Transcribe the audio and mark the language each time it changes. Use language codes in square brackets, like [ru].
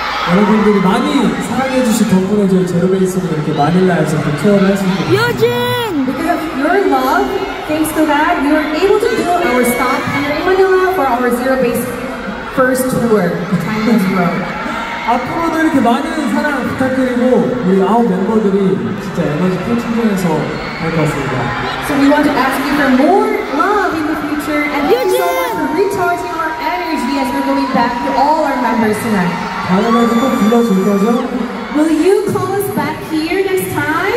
[ko] 여러분들이 많이 사랑해 주신 덕분에 저희 제로베이스도 이렇게 마닐라에서 이렇게 투어를 할 수 있게 됐어요. 요진! [en] Because of your love, thanks to that, we were able to do our stop in Manila for our zero-base first tour, Chinese Road. [ko] 앞으로도 이렇게 많은 사랑 부탁드리고 우리 아홉 멤버들이 진짜 에너지 풀 충전해서 할 것 같습니다. [en] So we want to ask you for more love in the future and thank you so much for recharging our energy as we're going back to all our members tonight. Will you call us back here next time?